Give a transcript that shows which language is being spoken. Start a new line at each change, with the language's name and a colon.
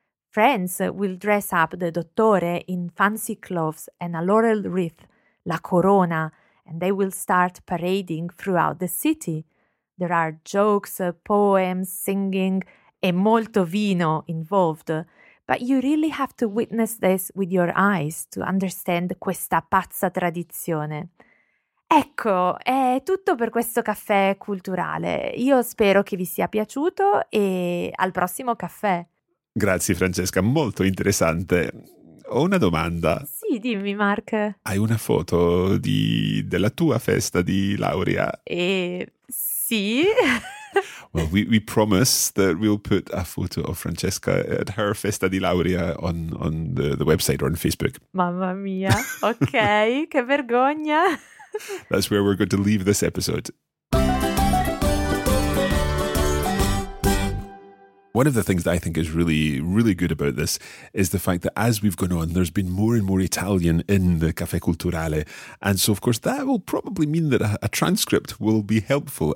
English: Friends will dress up the dottore in fancy clothes and a laurel wreath, la corona, and they will start parading throughout the city. There are jokes, poems, singing,
Italian: e molto vino
English: involved. But you really have to witness this with your eyes to understand
Italian: questa pazza tradizione. Ecco, è tutto per questo caffè culturale. Io spero che vi sia piaciuto e al prossimo caffè. Grazie Francesca, molto interessante. Ho una domanda. Sì, dimmi Mark. Hai una foto della tua festa di laurea? Sì.
English: Well, we promise that we'll put a photo of Francesca at her
Italian: festa di laurea
English: on the website or on Facebook.
Italian: Mamma mia, ok, che vergogna.
English: That's where we're going to leave this episode. One of the things that I think is really, really good about this is the fact that as we've gone on, there's been more and more Italian in the Caffè Culturale. And so, of course, that will probably mean that a transcript will be helpful.